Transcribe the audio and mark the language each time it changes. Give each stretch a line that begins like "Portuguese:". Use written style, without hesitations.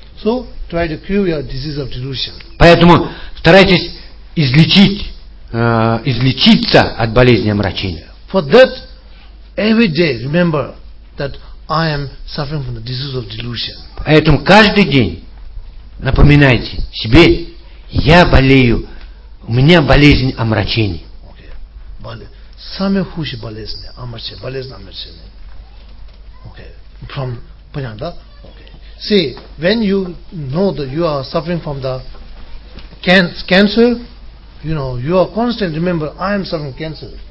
English: So, try to cure your disease of delusion.
Russian: Поэтому старайтесь излечить. Излечиться от болезни омрачения.
English: For that, every day remember that I am suffering from the disease of delusion.
Russian: Поэтому каждый день напоминайте себе, я болею, у меня болезнь омрачения. Okay. Болезнь. Самые худшие болезни, омрачение, болезнь омрачения.
English: Okay. From,
Russian: понятно, да?
English: Okay. See, when you know that you are suffering from the cancer, you know, you are constant, remember, I am suffering cancer.